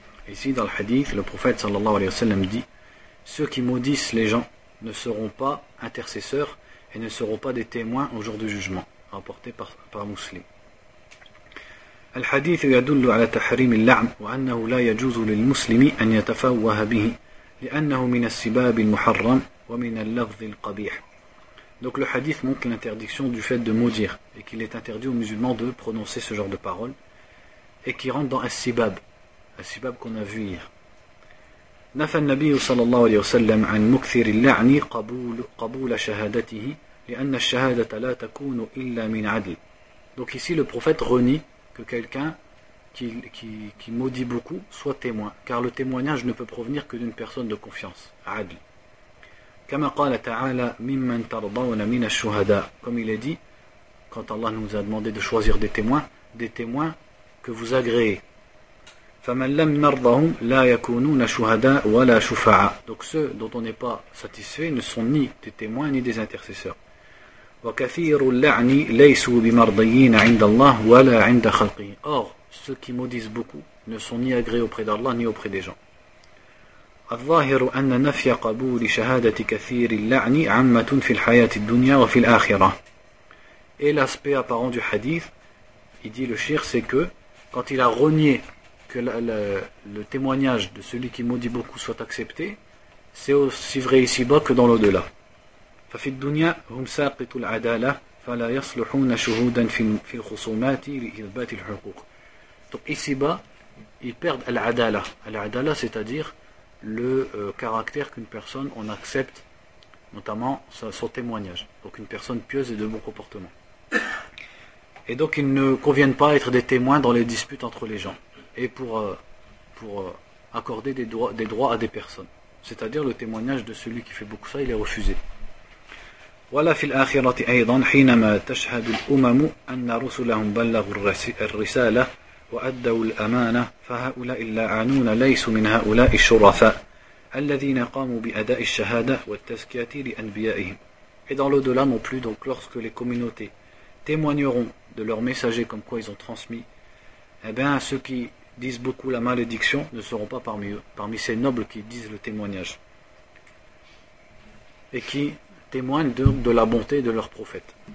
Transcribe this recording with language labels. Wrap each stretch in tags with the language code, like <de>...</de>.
<fr>Ici, dans le hadith, le prophète sallallahu alayhi wa sallam dit: ceux qui maudissent les gens ne seront pas intercesseurs et ne seront pas des témoins au jour du jugement, rapporté par Muslim.</fr> <ar>الحديث يدل على تحريم اللعن وأنه لا يجوز للمسلم أن يتفوه به لأنه من السباب المحرم ومن اللفظ القبيح.</ar> <fr>Donc le hadith montre l'interdiction du fait de maudire et qu'il est interdit aux musulmans de prononcer ce genre de paroles et qui rentre dans السباب, السباب qu'on a vu hier.</fr> <ar>نفى النبي صلى الله عليه وسلم عن مكثر اللعن قبول شهادته لأن الشهادة لا تكون إلا من عدل.</ar> <fr>Donc ici le prophète renie que quelqu'un qui maudit beaucoup soit témoin, car le témoignage ne peut provenir que d'une personne de confiance, adl.</fr> <ar>كما قال تعالى ممن ترضون من الشهداء,</ar> <fr>comme il est dit quand Allah nous a demandé de choisir des témoins que vous agréez.</fr> <ar>فمن لم نرضهم لا يكونون شهداء ولا شفعاء.</ar> <fr>Donc ceux dont on n'est pas satisfait ne sont ni des témoins ni des intercesseurs.</fr> <ar>وكثير اللعن ليسوا بمرضيين عند الله ولا عند خلقه.</ar> <fr>Or, ceux qui maudissent beaucoup ne sont ni agréés auprès d'Allah ni auprès des gens.</fr> <ar>الظاهر أن نفي قبول شهادة كثير اللعن عامة في الحياة الدنيا وفي الآخرة.</ar> <fr>Et l'aspect apparent du hadith, il dit le cheikh, c'est que quand il a renié que le témoignage de celui qui maudit beaucoup soit accepté, c'est aussi vrai ici-bas que dans l'au-delà.</fr> <ar>ففي الدنيا هم ساقط العدالة فلا يصلحون شهودا في الخصومات لإثبات الحقوق.</ar> <fr>Donc ici-bas, ils perdent al-adala. Al-adala, c'est-à-dire le caractère qu'une personne on accepte, notamment son témoignage. Donc une personne pieuse et de bon comportement. Et donc ils ne conviennent pas être des témoins dans les disputes entre les gens et pour accorder des droits à des personnes. C'est-à-dire le témoignage de celui qui fait beaucoup ça, il est refusé.</fr> <ar>ولا في الآخرة أيضا حينما تشهد الأمم أن رسلهم بلغوا الرسالة وأدوا الأمانة فهؤلاء اللاعنون ليسوا من هؤلاء الشرفاء الذين قاموا بأداء الشهادة والتزكية لأنبيائهم.</ar> <fr>Et dans l'au-delà non plus, donc lorsque les communautés témoigneront de leurs messagers comme quoi ils ont transmis, eh bien ceux qui disent beaucoup la malédiction ne seront pas parmi eux, parmi ces nobles qui disent le témoignage et qui témoignent de la bonté de leur prophète.</fr>